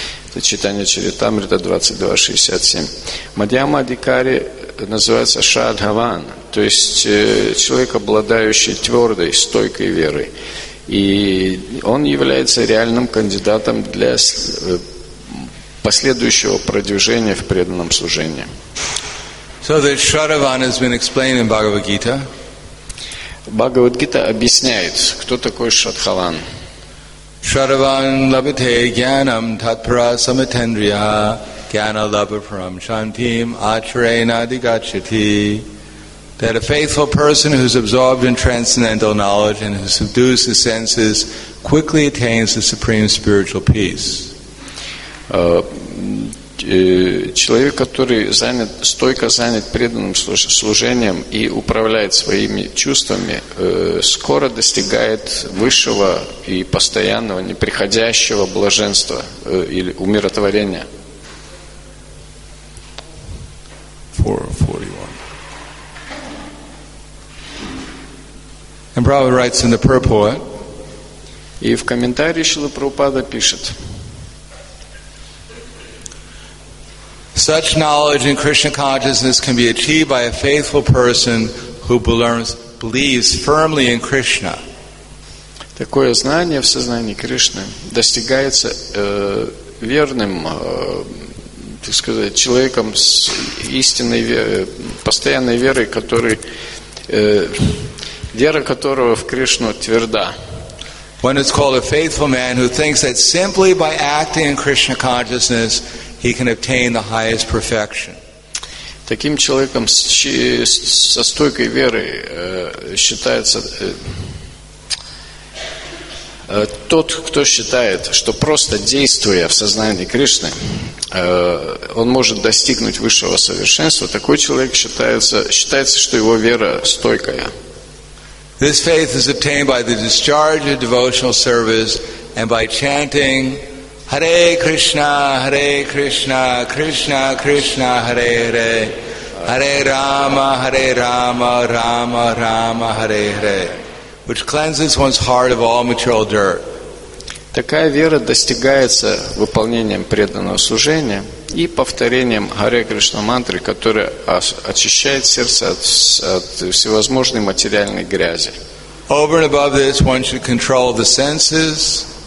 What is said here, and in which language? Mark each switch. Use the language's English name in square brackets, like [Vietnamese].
[Russian] Это читание Чаритамрита 22.67. Мадьяма Адикари называется Шадхаван, то есть человек, обладающий твердой, стойкой верой. И он является реальным кандидатом для последующего продвижения в преданном служении. [English] So the Shadavan has been explained in Bhagavad Gita. [Russian] Bhagavad Gita объясняет, кто такой Шадхаван. [Sanskrit] Shadavan labhate jnanam tatpara samatendriya jnana labhapuram shantim acharena adigachati. [English] That a faithful person who is absorbed in transcendental knowledge and who subdues the senses quickly attains the supreme spiritual peace. [Russian] Человек, который занят, стойко занят преданным служением и управляет своими чувствами, скоро достигает высшего и постоянного, неприходящего блаженства или умиротворения. [English] 441. And Prabhupada writes in the purport. [Russian] И в комментарии Шрила Прабхупада пишет. [English] Such knowledge in Krishna consciousness can be achieved by a faithful person who believes firmly in Krishna. [Russian] Такое знание в сознании Кришны достигается верным, так сказать, человеком с истинной постоянной верой, который вера которого в Кришну тверда. [English] When it's called a faithful man who thinks that simply by acting in Krishna consciousness he can obtain the highest perfection. [Russian] Таким человеком со стойкой верой считается тот, кто считает, что просто действуя в сознании Кришны, он может достигнуть высшего совершенства. Такой человек считается, что его вера стойкая. [English] This faith is obtained by the discharge of devotional service and by chanting Hare Krishna, Hare Krishna, Krishna Krishna, Hare Hare, Hare Rama, Hare Rama, Rama Rama, Hare Hare, which cleanses one's heart of all material dirt. [Russian] Такая вера достигается выполнением преданного служения и повторением Харе Кришна мантры, которая очищает сердце от всевозможной материальной грязи. [English] Over and above this, one should control the senses.